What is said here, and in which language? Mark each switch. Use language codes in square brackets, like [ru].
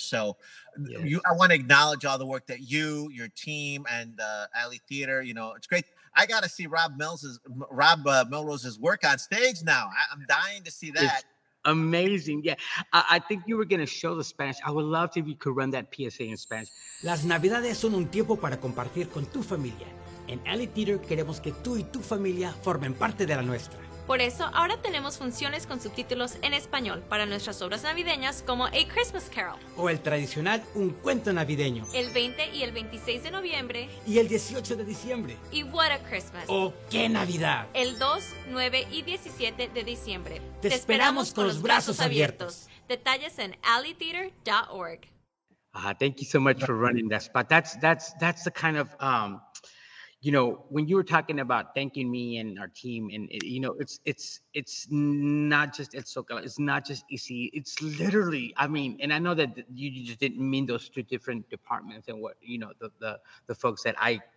[en] So I want to acknowledge all the work that you, your team and Alley Theater, you know, it's great. I got to see Rob Melrose's work on stage now. I'm dying to see that. Amazing. Yeah, I think you were going to show the Spanish. I would love to if you could run that PSA in Spanish. [es] Las Navidades son un tiempo para compartir con tu familia. En Alley Theater queremos que tú y tu familia formen parte de la nuestra. Por eso, ahora tenemos funciones con subtítulos en español para nuestras obras navideñas como A Christmas Carol. O el tradicional Un Cuento Navideño. El 20 y el 26 de noviembre. Y el 18 de diciembre. Y What a Christmas. O qué Navidad. El 2, 9 y 17 de diciembre. Te esperamos con los brazos abiertos. Detalles en alleytheater.org. [en] Thank you so much for running this. But that's the kind of... you know, when you were talking about thanking me and our team, and you know, it's not just El Zócalo, it's not just ECE, it's literally, I mean, and I know that you just didn't mean those two different departments and what, you know, the folks that I